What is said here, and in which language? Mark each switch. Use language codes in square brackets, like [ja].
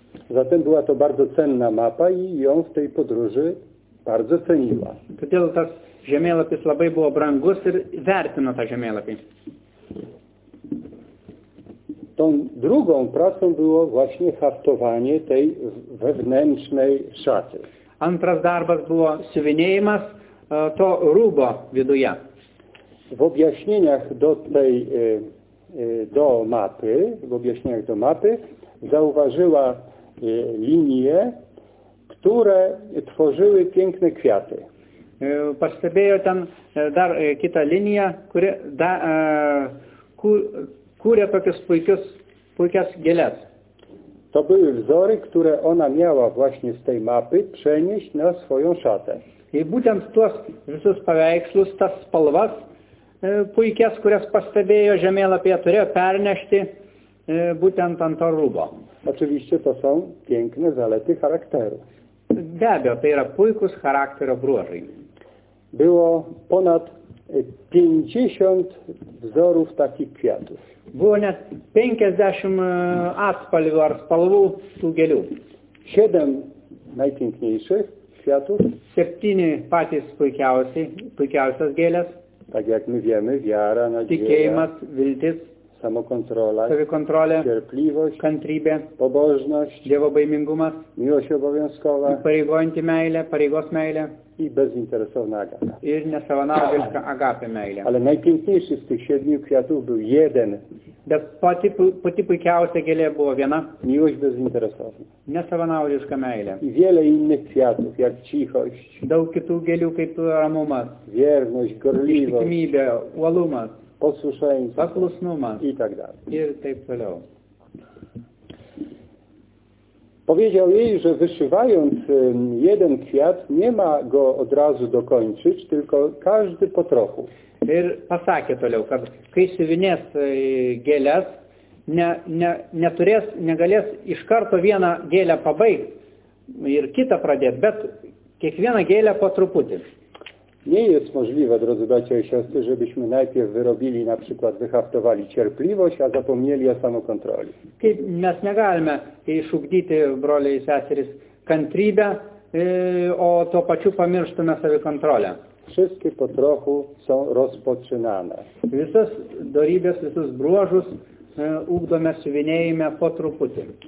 [pl] Zatem była to bardzo cenna mapa i ją w tej podróży bardzo ceniła. [lt] Todėl tas žemėlapis labai buvo brangus ir vertino tą žemėlapį. [pl] Tą drugą pracą było właśnie haftowanie tej wewnętrznej szaty. [lt] Antras darbas było siuvinėjimas to rūbo viduje. [pl] W objaśnieniach do tej do mapy, w objaśnieniach do mapy zauważyła linie, które tworzyły piękne kwiaty. [lt] Pastebėjo tam dar kita linija, kuria kūrė tokius puikias gėles. [pl] To były wzory, które ona miała właśnie z tej mapy przenieść na swoją szatę. [lt] I būtent tuos visus paveikslus, tas spalvas puikias, kurias pastebėjo žemėlapyje, turėjo pernešti būtent ant to rūbo. [pl] Oczywiście to są piękne zalety charakteru. [lt] Be abejo, tai yra puikus charakterio bruožai. [pl] Było ponad 50 wzorów takich kwiatów. Było [lt] net 50 atspalvių ar spalvų tų gėlių. [pl] 7 najpiękniejszych kwiatów. [lt] 7 patys puikiausias gėlės. [pl] Tak jak my wiemy, wiara, nadzieja, [lt] tikėjimas, viltis, [pl] samokontrola, [lt] savikontrolė, [pl] cierpliwość, [lt] kantrybė, [pl] pobożność, [lt] dievobaimingumas, [pl] miłość obowiązkowa, [lt] pareigojanti meilė, pareigos meilė [pl] i bezinteresowna agata. [lt] Ir nesavanaudiška agapė meilė. [pl] Ale najpiękniejszy z tych 7 kwiatów był jeden. [lt] Bet pati puikiausia gėlė buvo viena. [pl] Miłość bezinteresowna. [lt] Nesavanaudiška meilė. [pl] I wiele innych kwiatów, jak cichość. [lt] Daug kitų gėlių, kaip ramumas. [pl] Wierność, gorliwość. [lt] Ištikimybė, uolumas. [pl] Posłuszeństwo. [lt] Paklusnumas. [pl] I tak dalej. [lt] Ir taip toliau. [pl] Powiedział jej, że wyszywając jeden kwiat, nie ma go od razu dokończyć, tylko każdy po trochu. [lt] Ir pasakė toliau, kad kai siuvinės gėlės, negalės iš karto vieną gėlę pabaigt ir kitą pradėt, bet kiekvieną gėlę po truputį. [pl] Nie jest możliwe, drodzy bracia i siostry, żebyśmy najpierw wyrobili, na przykład wyhaftowali cierpliwość, a zapomnieli o samokontroli. [lt] Kaip mes negalime išugdyti, broliai i seserys, kantrybę, o to pačiu pamirštume savikontrolę. [pl] Wszystkie po trochu są rozpoczynane. [lt] Visas dorybės, visus bruožus ugdome, siuvinėjime po truputį.